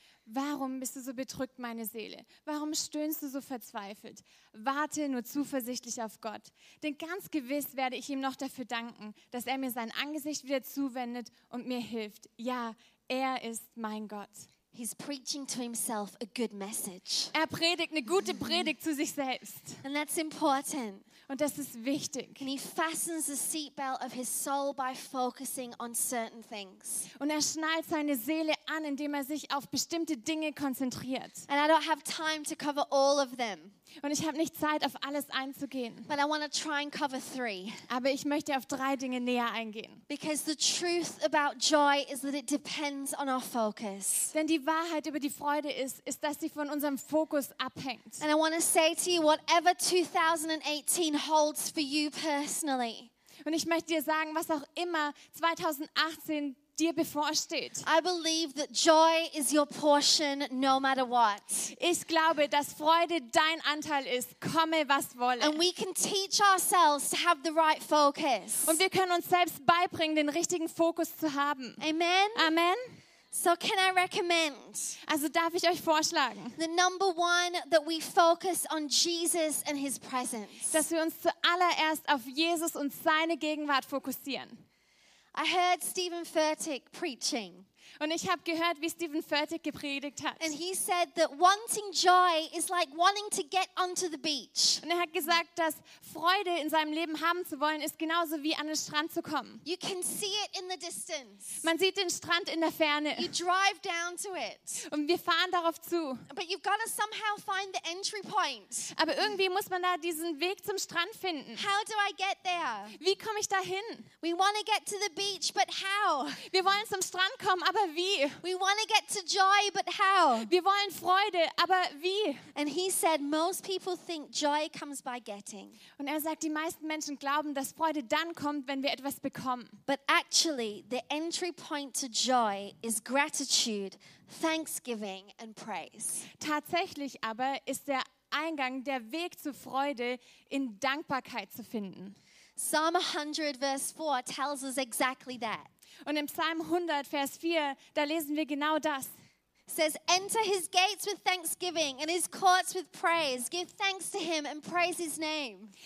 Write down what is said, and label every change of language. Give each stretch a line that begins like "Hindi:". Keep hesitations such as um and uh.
German: Warum bist du so bedrückt, meine Seele? Warum stöhnst du so verzweifelt? Warte nur zuversichtlich auf Gott. Denn ganz gewiss werde ich ihm noch dafür danken, dass er mir sein Angesicht wieder zuwendet und mir hilft. Ja, er ist mein Gott.
English: He's preaching to himself a good message.
German: Er predigt eine gute Predigt zu sich selbst.
English: And that's important.
German: Und das ist wichtig.
English: And he fastens the seatbelt of his soul by focusing on certain things.
German: Und er schnallt seine Seele an, indem er sich auf bestimmte Dinge konzentriert.
English: And I don't have time to cover all of them,
German: Und ich habe nicht Zeit, auf alles einzugehen.
English: but I want to try and cover three.
German: Aber ich möchte auf drei Dinge näher eingehen.
English: Because the truth about joy is that it depends on our focus.
German: Denn die Wahrheit über die Freude ist, ist, dass sie von unserem Fokus abhängt.
English: And I want to say to you, whatever 2018 holds for you personally,
German: Und ich möchte dir sagen, was auch immer 2018 dir bevorsteht.
English: I believe that joy is your portion no matter what.
German: Ich glaube, dass Freude dein Anteil ist, komme was wolle.
English: And we can teach ourselves to have the right focus.
German: Und wir können uns selbst beibringen, den richtigen Fokus zu haben.
English: Amen?
German: Amen.
English: So, can I recommend
German: Also darf ich euch vorschlagen,
English: the number one that we focus on Jesus and his presence?
German: dass wir uns zuallererst auf Jesus und seine Gegenwart fokussieren.
English: I heard Stephen Furtick preaching,
German: Und ich habe gehört, wie Stephen Furtick gepredigt hat.
English: and he said that wanting joy is like wanting to get onto the beach.
German: Und er hat gesagt, dass Freude in seinem Leben haben zu wollen, ist genauso wie an den Strand zu kommen.
English: You can see it in the distance.
German: Man sieht den Strand in der Ferne
English: You drive down to it,
German: und wir fahren darauf zu.
English: but you've got to somehow find the entry point.
German: Aber irgendwie muss man da diesen Weg zum Strand finden.
English: How do I get there?
German: Wie komme ich da hin?
English: We want to get to the beach, but how?
German: Wir wollen zum Strand kommen, aber aber wie?
English: We want to get to joy, but how?
German: Wir wollen Freude, aber wie?
English: And he said, most people think joy comes by getting,
German: Und er sagt, die meisten Menschen glauben, dass Freude dann kommt, wenn wir etwas bekommen.
English: but actually, the entry point to joy is gratitude, thanksgiving, and praise.
German: Tatsächlich aber ist der Eingang, der Weg zur Freude in Dankbarkeit zu finden.
English: Psalm 100, verse 4, tells us exactly that.
German: Und im Psalm 100, Vers 4, da lesen wir genau das.
English: It says, Enter his gates with thanksgiving and his courts with praise. Give thanks to him and praise his name.